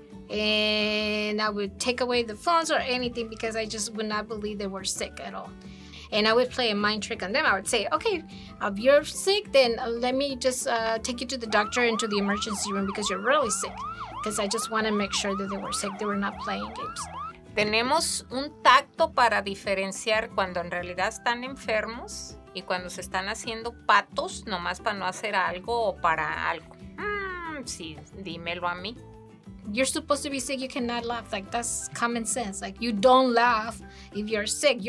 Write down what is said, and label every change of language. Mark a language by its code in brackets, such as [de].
[en] And I would take away the phones or anything because I just would not believe they were sick at all. And I would play a mind trick on them. I would say, okay, if you're sick, then let me just take you to the doctor and to the emergency room because you're really sick. Because I just want to make sure that they were sick. They were not playing games. [es] Tenemos un tacto para diferenciar cuando en realidad están enfermos y cuando se están haciendo patos nomás para no hacer algo o para algo. Sí, dímelo a mí. [en] You're supposed to be sick, you cannot laugh. Like, that's common sense. Like, you don't laugh if you're sick.